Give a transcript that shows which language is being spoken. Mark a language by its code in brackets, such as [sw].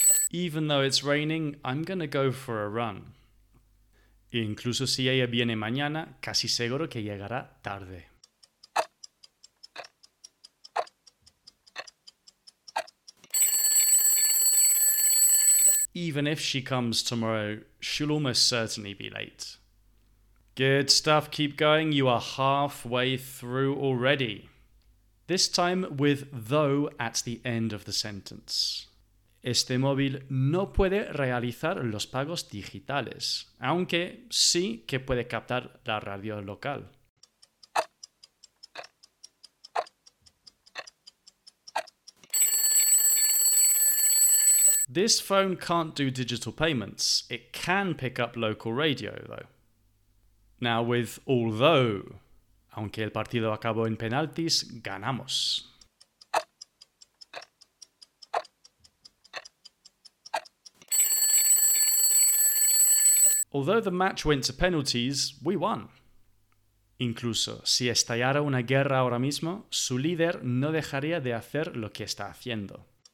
[en] Even though it's raining, I'm gonna go for a run. [es] Incluso si ella viene mañana, casi seguro que llegará tarde. [en] Even if she comes tomorrow, she'll almost certainly be late. Good stuff, keep going. You are halfway through already. This time with though at the end of the sentence. [es] Este móvil no puede realizar los pagos digitales, aunque sí que puede captar la radio local. [en] This phone can't do digital payments. It can pick up local radio, though. Now with although, [es] aunque el partido acabó en penaltis, ganamos. [en] Although the match went to penalties, we won. [es] Incluso si estallara una guerra ahora mismo, su líder no dejaría de hacer lo que está haciendo.